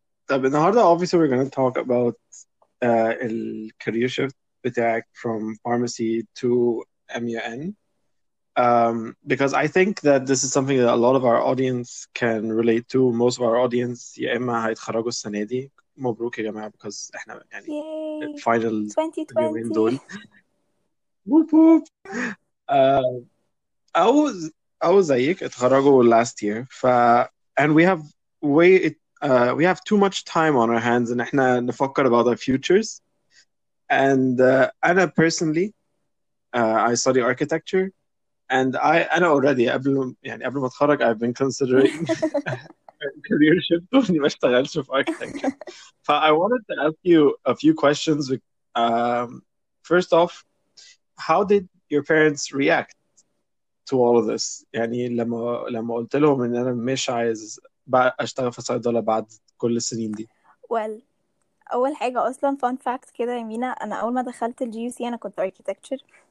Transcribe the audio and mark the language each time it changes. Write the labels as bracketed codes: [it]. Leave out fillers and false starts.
[ar] النهارده [en] obviously we're going to talk about ال career shift بتاعك from pharmacy to MUN, because I think that this is something that a lot of our audience can relate to. Most of our audience [ar] يا إما هيتخرجوا السنة دي, مبروك يا جماعة, [en] because [ar] إحنا يعني [en] Yay. Final 2020 [ar] دول [en] whoop whoop [ar] أو زيك اتخرجوا [en] last year, and we have way it we have too much time on our hands and [ar] احنا نفكر [en] about our futures. And [ar] انا [en] personally I study architecture, and انا already [ar] قبل يعني قبل ما اتخرج [en] I've been considering career shift [ar] وني ما اشتغلش [en] في architecture. فI wanted to ask you a few questions. First off, how did your parents react to all of this? [ar] يعني لما قلت لهم ان انا مش عايز أشتغل في صيدلة بعد كل السنين دي. [en] Well, [ar] أول حاجة أصلاً [en] fun fact [ar] كده يا مينا, أنا أول ما دخلت الجي يو سي أنا كنت architecture,